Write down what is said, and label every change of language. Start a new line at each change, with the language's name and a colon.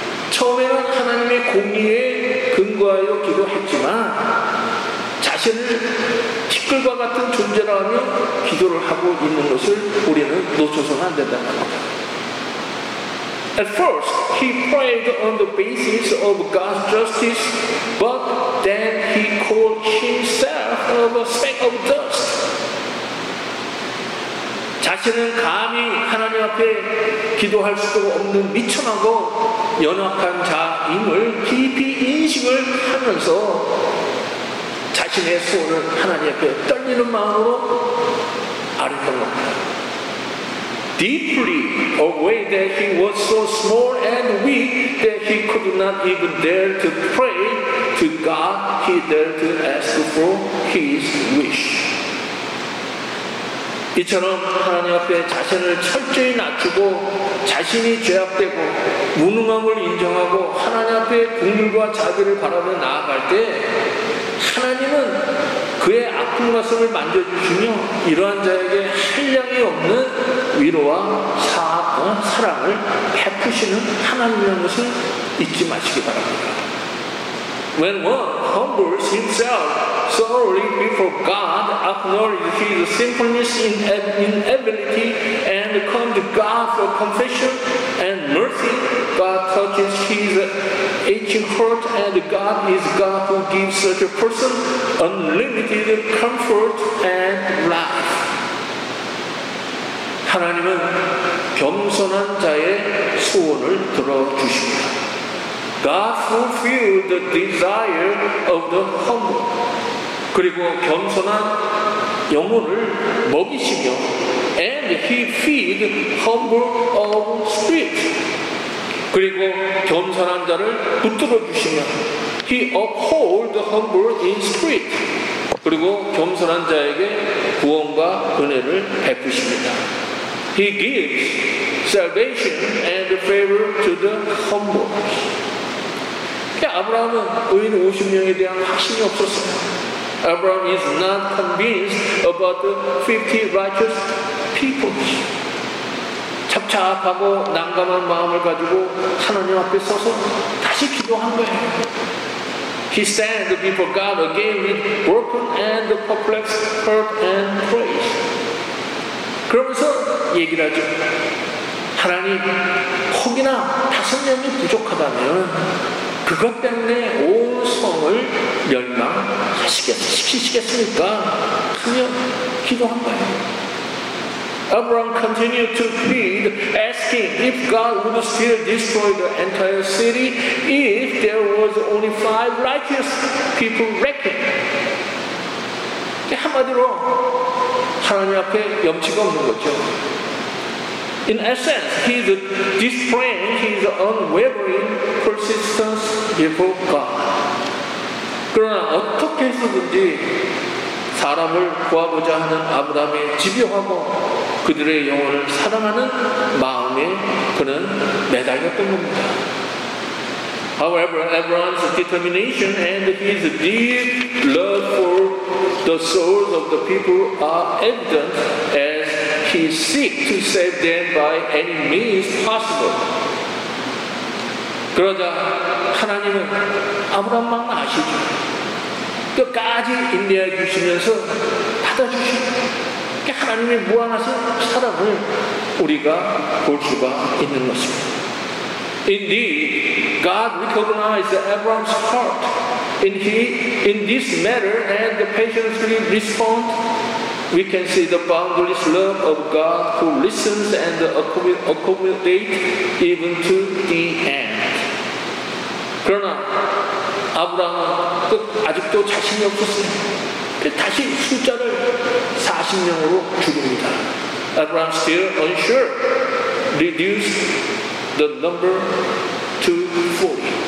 Korean: 처음에는 하나님의 공의에 근거하여 기도했지만 자신을 티끌과 같은 존재라 하며 기도를 하고 있는 것을 우리는 놓쳐서는 안 된다는 겁니다.
English: At first, he prayed on the basis of God's justice, but then he called himself a speck of dust.
Korean: 자신은 감히 하나님 앞에 기도할 수도 없는 미천하고 연약한 자임을 깊이 인식을 하면서 자신의 소원을 하나님 앞에 떨리는 마음으로 아뢰던 겁니다.
English: Deeply aware that he was so small and weak that he could not even dare to pray to God, he dared to ask for his wish.
Korean: 이처럼 하나님 앞에 자신을 철저히 낮추고 자신이 죄악되고 무능함을 인정하고 하나님 앞에 긍휼과 자비를 바라며 나아갈 때 하나님은 그의 아픈 가슴을 만져주시며 이러한 자에게 한량이 없는 위로와 사랑을 베푸시는 하나님이라는 것을 잊지 마시기 바랍니다.
English: When one humbles himself thoroughly before God, acknowledges his sinfulness in inability, and comes to God for confession and mercy, God touches his aching heart, and God is God who gives such a person unlimited comfort and life.
Korean: 하나님은 겸손한 자의 소원을 들어주십니다.
English: God fulfilled the desire of the humble.
Korean: 그리고 겸손한 영혼을 먹이시며
English: and he feed humble of spirit.
Korean: 그리고 겸손한 자를 붙들어 주시며
English: he uphold the humble in spirit.
Korean: 그리고 겸손한 자에게 구원과 은혜를 베푸십니다.
English: He gives salvation and favor to the humble.
Korean: 아브라함은 의인 50명에 대한 확신이 없었습니다.
English: Abraham is not convinced about the 50 righteous people.
Korean: 자압하고 난감한 마음을 가지고 하나님 앞에 서서 다시 기도한 거예요.
English: He stands before God again with broken and perplexed heart and praise.
Korean: 그러면서 얘기를 하죠. 하나님, 혹이나 다섯 명이 부족하다면 그것 때문에 온 성을 멸망시키시겠습니까? 하며 기도한 거예요.
English: Abraham continued to plead, asking if God would still destroy the entire city if there was only five righteous people reckoned.
Korean: 한마디로 하나님 앞에 염치가 없는 거죠.
English: In essence, he's displaying his unwavering persistence before God.
Korean: 그러나 어떻게 해서든지 사람을 구하고자 하는 아브라함의 집요하고 그들의 영혼을 사랑하는 마음에 그는 매달렸던 겁니다.
English: However, Abraham's determination and his deep love for the souls of the people are evident as he seeks to save them by any means possible.
Korean: 그러자 하나님은 아브라함 마음 아시죠? 끝까지 인내해 주시면서 받아주시는 하나님의 무한하신 사랑을 우리가 볼 수가 있는 것입니다.
English: Indeed, God recognized Abraham's heart in this matter and patiently responded. We can see the boundless love of God who listens and accommodates even to the end.
Korean: 그러나 아브라함은 아직도 자신이 없었어요. 다시 숫자를 40명으로 줄입니다.
English: Abraham still unsure, reduced the number to 40.